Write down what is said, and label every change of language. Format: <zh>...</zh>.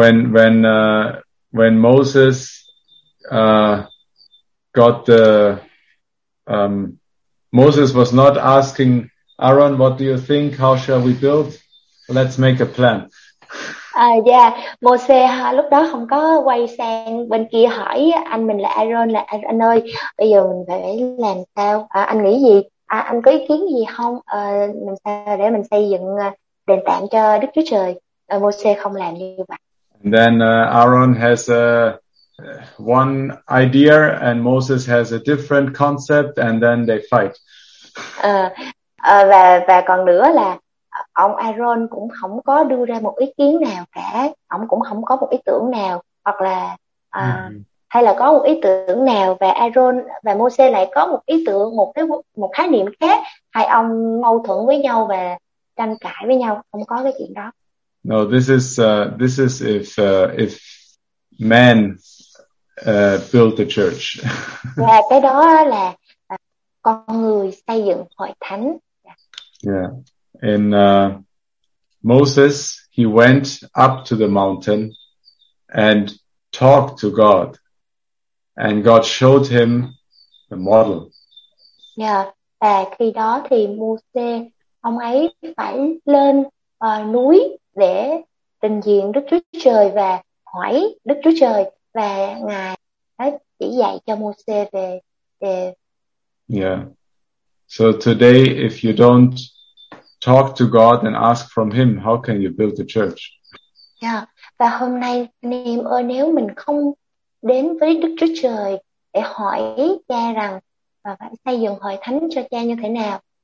<en>When Moses got the Moses was not asking Aaron, what do you think, how shall we build, let's make a plan.</en> <vi>Moses ha, lúc đó không có quay sang bên kia hỏi anh mình là Aaron, là anh ơi bây giờ mình phải làm sao, anh nghĩ gì, anh có ý kiến gì không, mình sao để mình xây dựng đền tạm cho Đức Chúa Trời. Moses không làm như vậy.</vi> <en>And then Aaron has one idea and Moses has a different concept and then they fight.</en> <vi>Và còn nữa là ông Aaron cũng không có đưa ra một ý kiến nào cả, ông cũng không có một ý tưởng nào, hoặc là hay là có một ý tưởng nào và Aaron và Moses lại có một ý tưởng, một khái niệm khác, hai ông mâu thuẫn với nhau và tranh cãi với nhau, không có cái chuyện đó.</vi> <en>No, this is if men build the church.</en> <vi>Và cái đó là con người xây dựng hội thánh.</vi> <en>And Moses, he went up to the mountain and talked to God, and God showed him the model.</en> <vi>Yeah, và khi đó thì Moses ông ấy phải lên núi để trình diện Đức Chúa Trời và hỏi Đức Chúa Trời, và Ngài đã chỉ dạy cho Moses về.</vi> <en>Yeah. So today, if you don't talk to God and ask from Him, how can you build the church? Yeah.</en> <vi>Và hôm nay, anh em ơi, nếu mình không đến với Đức Chúa Trời để hỏi Cha rằng và phải xây dựng hội thánh cho Cha như thế nào?</vi>